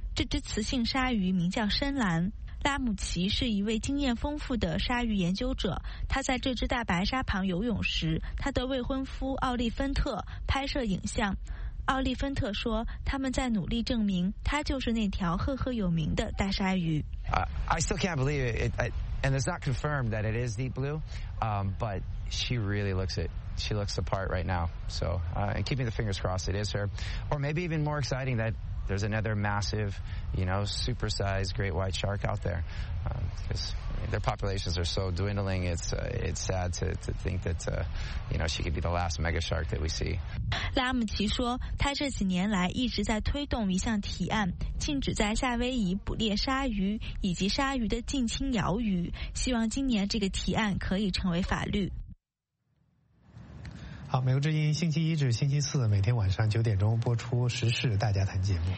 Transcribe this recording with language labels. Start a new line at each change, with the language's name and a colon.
Chinese: 这只雌性鲨鱼名叫深蓝。拉姆奇是一位经验丰富的鲨鱼研究者，他在这只大白鲨旁游泳时，他的未婚夫奥利芬特拍摄影像。奥利芬特说，他们在努力证明他就是那条赫赫有名的大鲨鱼。
English: I still can't believe it, and it's not confirmed that it is deep blue, but she really looks it. She looks the part right now. So, and keeping the fingers crossed, it is her. Or maybe even more exciting that. There's another massive, you know, super-sized great white shark out there. Because their populations are so dwindling, it's sad to think that, you know, she could be the last mega shark that we see.
Chinese: 拉姆奇说，他这几年来一直在推动一项提案，禁止在夏威夷捕猎鲨鱼以及鲨鱼的近亲鳐鱼，希望今年这个提案可以成为法律。好，美国之音星期一至星期四每天晚上9点播出时事大家谈节目。